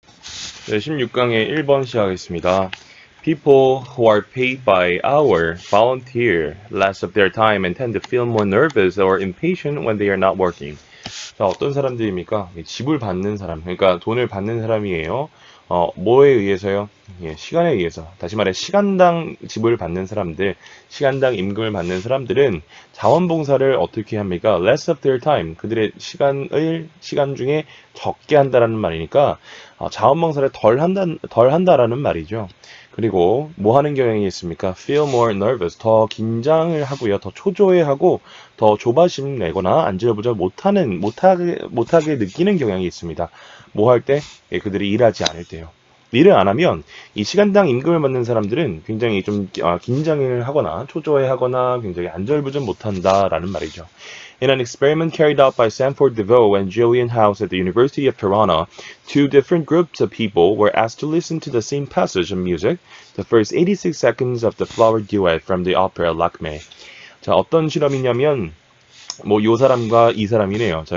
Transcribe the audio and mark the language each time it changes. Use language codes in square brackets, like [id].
[ko] 네, 16강의 1번 시작하겠습니다. [en] People who are paid by hour volunteer less of their time and tend to feel more nervous or impatient when they are not working. [ko] 자, 어떤 사람들입니까? 지불 받는 사람, 그러니까 돈을 받는 사람이에요. 뭐에 의해서요? 예, 시간에 의해서. 다시 말해, 시간당 지불을 받는 사람들, 시간당 임금을 받는 사람들은 자원봉사를 어떻게 합니까? [en] Less of their time, [ko] 그들의 시간 중에 적게 한다라는 말이니까, 자원봉사를 덜 한다라는 말이죠. 그리고, 뭐 하는 경향이 있습니까? [en] Feel more nervous. [ko] 더 긴장을 하고요. 더 초조해하고, 더 조바심 내거나 안절부절 못하게 느끼는 경향이 있습니다. 뭐할 때? 예, 그들이 일하지 않을 때요. 일을 안 하면 이 시간당 임금을 받는 사람들은 굉장히 좀 긴장을 하거나 초조해하거나 굉장히 안절부절 못한다라는 말이죠. [en] In an experiment carried out by Sanford DeVoe and Jillian House at the University of Toronto, two different groups of people were asked to listen to the same passage of music, the first 86 seconds of the Flower Duet from the opera Lakme. [ko] 자, 어떤 실험이냐면 뭐, 요 사람과 이 사람이네요.